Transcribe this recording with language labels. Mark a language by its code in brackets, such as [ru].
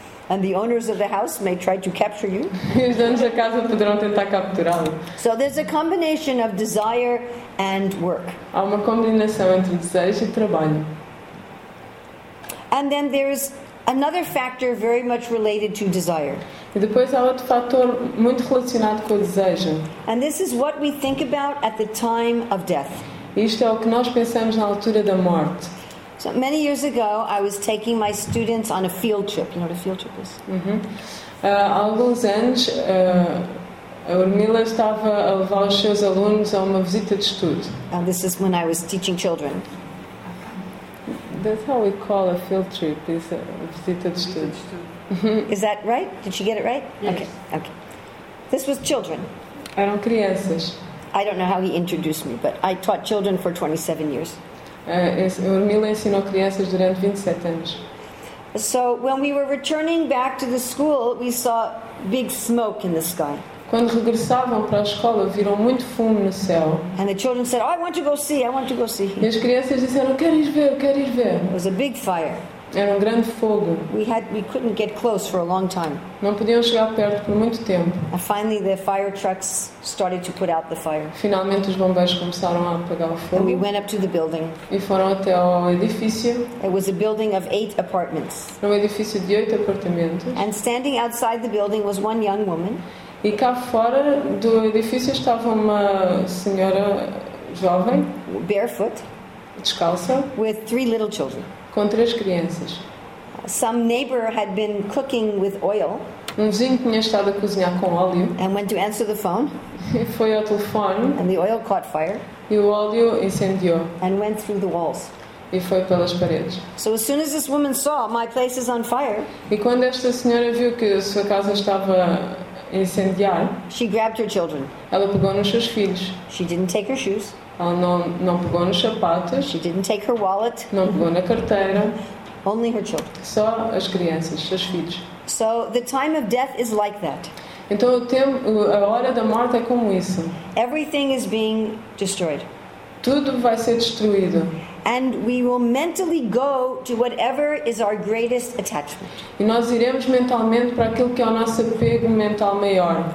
[en] And the owners of the house may try to capture you. [pt] E os donos da casa poderão tentar capturá-lo. [en] So there's a combination of desire and work. [pt] Há uma combinação entre desejo e trabalho. [en] And then there's Another factor very much related to desire. [pt] E depois há outro fator muito relacionado com o desejo. [en] And this is what we think about at the time of death. [pt] Isto é o que nós pensamos na altura da morte. [en] So many years ago, I was taking my students on a field trip. You know what a field trip is? [pt] Há alguns anos, a Urmila estava a levar os seus alunos a uma visita de estudo. [en] And this is when I was teaching children. That's how we call a field trip, is a [pt] visita de estudo. [en] Is that right? Did she get it right? Yes. Okay. Okay. This was children. [pt] Eram crianças. [en] I don't know how he introduced me, but I taught children for 27 years. [pt] Urmila ensinou crianças durante 27 anos. [en] So when we were returning back to the school, we saw big smoke in the sky. [pt] Quando regressavam para a escola, viram muito fumo no céu. [en] And the children said, oh, I want to go see, I want to go see. [pt] E as crianças disseram, quero ir ver, quero ir ver. [en] It was a big fire. [pt] Era grande fogo. [en] We couldn't get close for a long time. [pt] Não podiam chegar perto por muito tempo. [en] And finally the fire trucks started to put out the fire. [pt] Finalmente os bombeiros começaram a apagar o fogo. [en] And we went up to the building. [pt] E foram até ao edifício. [en] It was a building of 8 apartments. [pt] Um edifício de 8 apartamentos. [en] And standing outside the building was one young woman. [pt] E cá fora do edifício estava uma senhora jovem, [en] barefoot, [pt] descalça, [en] with 3 little children. [pt] Com 3 crianças. [en] Some neighbor had been cooking with oil. [pt] Um vizinho tinha estado a cozinhar com óleo. [en] And went to answer the phone. [pt] E foi ao telefone. [en] And the oil caught fire. [pt] E o óleo incendiou. [en] And went through the walls. [pt] E foi pelas paredes. [en] So as soon as this woman saw my place is on fire. [pt] E quando esta senhora viu que a sua casa estava incendiar, [en] she grabbed her children. [pt] Ela pegou nos seus filhos. [en] She didn't take her shoes. [pt] Ela não pegou nos sapatos. [en] She didn't take her wallet. [pt] Não pegou na carteira. [en] Only her children. [pt] Só as crianças, seus filhos. [en] So the time of death is like that. [pt] Então a hora da morte é como isso. [en] Everything is being destroyed. [pt] Tudo vai ser destruído. [en] And we will mentally go to whatever is our greatest attachment. [pt] E nós iremos mentalmente para aquilo que é o nosso apego mental maior.